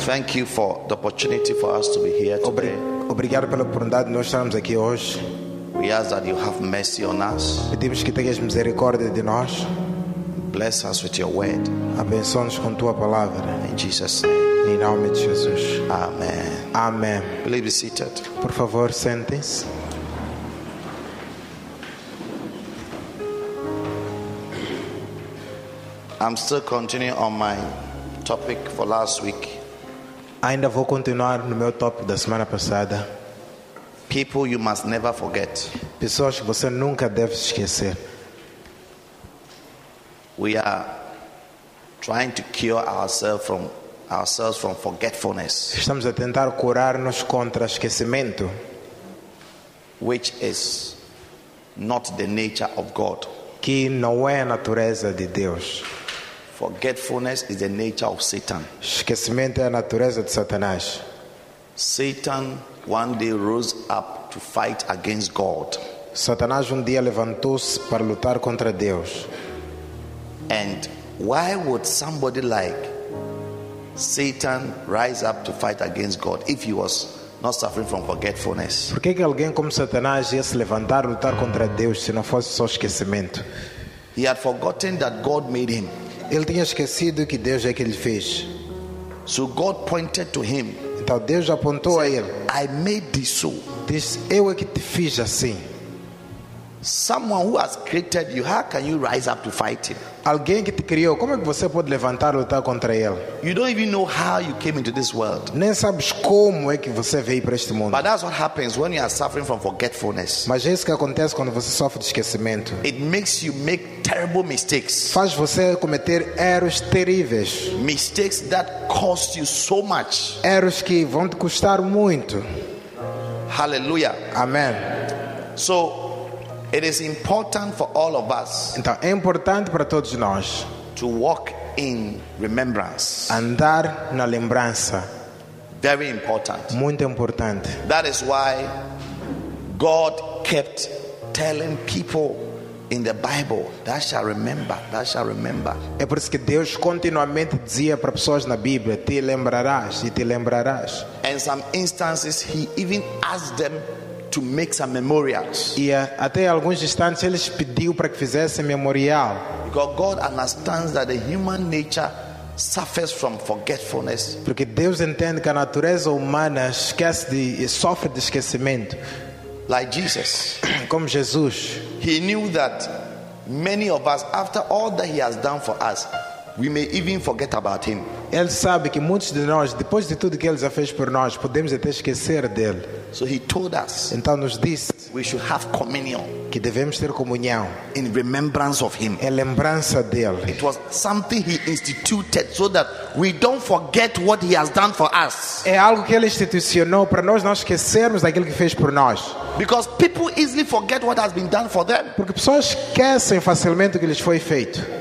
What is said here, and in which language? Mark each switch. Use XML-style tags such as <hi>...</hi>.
<en>thank you for the opportunity for us to be here today.</en> <pt>Obrigado pela oportunidade de nós estarmos aqui hoje.</pt> <en>We ask that you have mercy on us.</en> <pt>Pedimos que tenhas misericórdia de nós.</pt> <en>Bless us with your word.</en> <pt>Abençoa-nos com tua palavra.</pt> <en>In Jesus' name.</en> <pt>Em nome de Jesus. Amen. Amen.</pt> <en>Please be seated.</en> <pt>Por favor, sentem-se.</pt> <en>I'm still continuing on my topic for last week.</en> <pt>Ainda vou continuar no meu tópico da semana passada.</pt> <en>People you must never forget.</en> <pt>Pessoas que você nunca deve esquecer.</pt> <en>We are trying to cure ourselves from forgetfulness.</en> <pt>Estamos a tentar curar-nos contra esquecimento,</pt> <en>which is not the nature of God.</en> <pt>Que não é a natureza de Deus.</pt> <en>Forgetfulness is the nature of Satan.</en> <pt>Esquecimento é a natureza de Satanás.</pt> <en>Satan one day rose up to fight against God.</en> <pt>Satanás um dia levantou-se para lutar contra Deus.</pt> <en>And why would somebody like Satan rise up to fight against God if he was not suffering from forgetfulness?</en> <pt>Por que alguém como Satanás ia se levantar e lutar contra Deus se não fosse só esquecimento?</pt> <en>He had forgotten that God made him.</en> <pt>Ele tinha esquecido que Deus é que ele fez.</pt> <en>So God pointed to him.</en> <pt>Então Deus apontou a ele.</pt> <en>I made thee so.</en> <pt>Diz, eu é que te fiz assim.</pt> <en>Someone who has created you, how can you rise up to fight him?</en> <pt>Alguém que te criou, como é que você pode levantar e lutar contra ele?</pt> <en>You don't even know how you came into this world.</en> <pt>Nem sabes como é que você veio para este mundo.</pt> <en>But that's what happens when you are suffering from forgetfulness.</en> <pt>Mas é isso que acontece quando você sofre de esquecimento.</pt> <en>It makes you make terrible mistakes.</en> <pt>Faz você cometer erros terríveis.</pt> <en>Mistakes that cost you so much.</en> <pt>Erros que vão te custar muito. Hallelujah. Amen.</pt> <en>So it is important for all of us.</en> <pt>Então é importante para todos nós</pt> <en>to walk in remembrance.</en> <pt>Andar na lembrança.</pt> <en>Very important.</en> <pt>Muito importante.</pt> <en>That is why God kept telling people in the Bible, "Thou shalt remember, thou shalt remember."</en> <pt>É por isso que Deus continuamente dizia para pessoas na Bíblia, "Te lembrarás e te lembrarás."</pt> <en>In some instances he even asked them to make some memorials.</en> <pt>E até alguns instantes ele pediu para que fizesse memorial.</pt> <en>Because God understands that the human nature suffers from forgetfulness.</en> <pt>Porque Deus entende que a natureza humana esquece e sofre de esquecimento.</pt> <en>Like Jesus.</en> <pt>Como Jesus.</pt> <en>He knew that many of us, after all that he has done for us, we may even forget about him.</en> <pt>Ele sabe que muitos de nós, depois de tudo que ele já fez por nós, podemos até esquecer dele.</pt> <en>So he told us.</en> <pt>Então nos disse,</pt> <en>we should have communion.</en> <pt>Que devemos ter comunhão.</pt> <en>In remembrance of him.</en> <pt>Em lembrança dele.</pt> <en>It was something he instituted so that we don't forget what he has done for us.</en> <pt>É algo que ele institucionou para nós não esquecermos daquilo que fez por nós.</pt> <en>Because people easily forget what has been done for them.</en> <pt>Porque pessoas esquecem facilmente o que lhes foi feito.</pt>